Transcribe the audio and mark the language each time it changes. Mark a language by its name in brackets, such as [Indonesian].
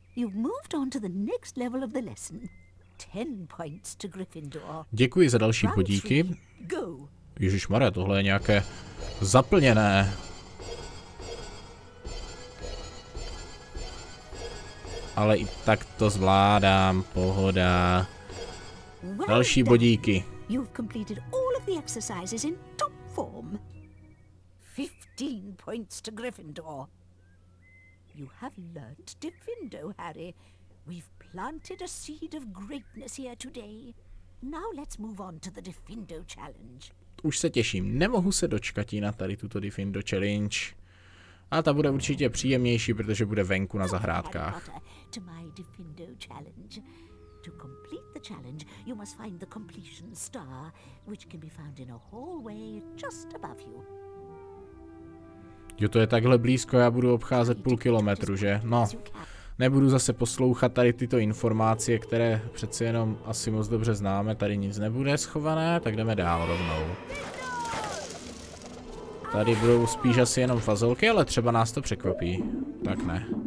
[English] You've moved on to the next level of the lesson. 10 points to Gryffindor. [Czech] Děkuji za další bodíky. Ježišmarja, tohle je nějaké zaplněné. Ale i tak to zvládám, pohoda. Další bodíky. [English] You've completed all of the exercises in top form. 15 points to Gryffindor. You have learnt Defindo, Harry. We've planted a seed of greatness here today. Now let's move on to the Defindo challenge. [Czech] Už se těším, nemohu se dočkat na tady tuto Defindo challenge. A ta bude určitě příjemnější, protože bude venku na zahrádkách. [English] To my Defindo challenge. To complete the challenge, you must find the completion star, which can be found in a hallway just above you. [Czech] Jo, to je takhle blízko, já budu obcházet půl kilometru, že? No, nebudu zase poslouchat tady tyto informace, které přeci jenom asi moc dobře známe, tady nic nebude schované, tak jdeme dál rovnou. Tady budou spíš asi jenom fazolky, ale třeba nás to překvapí. Tak ne.